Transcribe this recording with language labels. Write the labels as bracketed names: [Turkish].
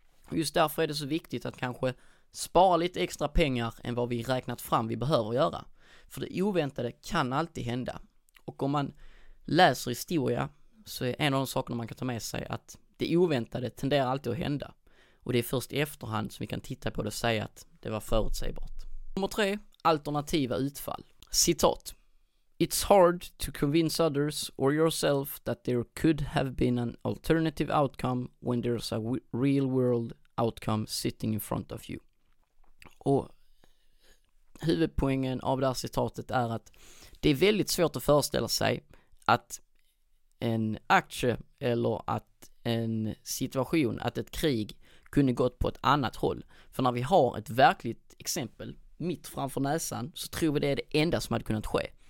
[Swedish] Och just därför är det så viktigt att kanske spara lite extra pengar än vad vi räknat fram vi behöver göra. För det oväntade kan alltid hända. Och om man läser historia så är en av de sakerna man kan ta med sig att det oväntade tenderar alltid att hända. Och det är först i efterhand som vi kan titta på det och säga att det var förutsägbart. Nummer 3. Alternativa utfall. Citat. [English] It's hard to convince others or yourself that there could have been an alternative outcome when there's a real world outcome sitting in front of you. [Swedish] Och huvudpoängen av det här citatet är att det är väldigt svårt att föreställa sig att en aktie eller att en situation, att ett krig kunde gått på ett annat håll. För när vi har ett verkligt exempel mitt framför näsan så tror vi det är det enda som hade kunnat ske.